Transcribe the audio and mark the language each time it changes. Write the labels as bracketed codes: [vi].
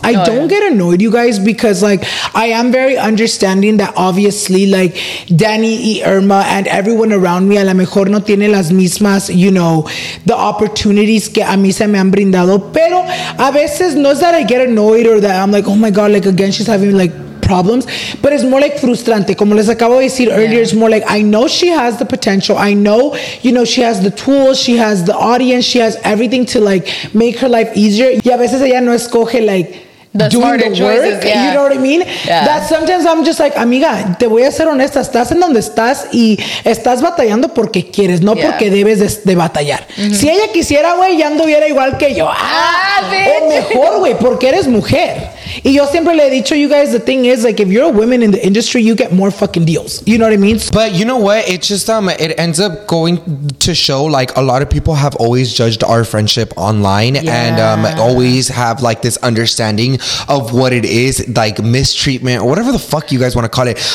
[en] I don't get annoyed, you guys, because, like, I am very understanding that, obviously, like, Danny y Irma and everyone around me, a lo mejor no tiene las mismas, you know, the opportunities que a mí se me han brindado, pero a veces no es that I get annoyed or that I'm like, oh my god, like again she's having like problems, but it's more like frustrante, como les acabo de decir earlier. It's more like, I know she has the potential, I know, you know, she has the tools, she has the audience, she has everything to like make her life easier, y a veces ella no escoge like the doing the choices, work, yeah. You know what I mean? Yeah. [es] That sometimes I'm just like, amiga, te voy a ser honesta, estás en donde estás y estás batallando porque quieres, no porque debes de batallar. Mm-hmm. Si ella quisiera, güey, ya anduviera igual que yo. [en] Bitch. [es] O mejor, güey, porque eres mujer. [en] Y yo siempre le he dicho, you guys, the thing is, like, if you're a woman in the industry, you get more fucking deals. You know what I mean? But you know what? It's just, it ends up going to show, like, a lot of people have always judged our friendship online and always have, like, this understanding of what it is, like, mistreatment or whatever the fuck you guys want to call it.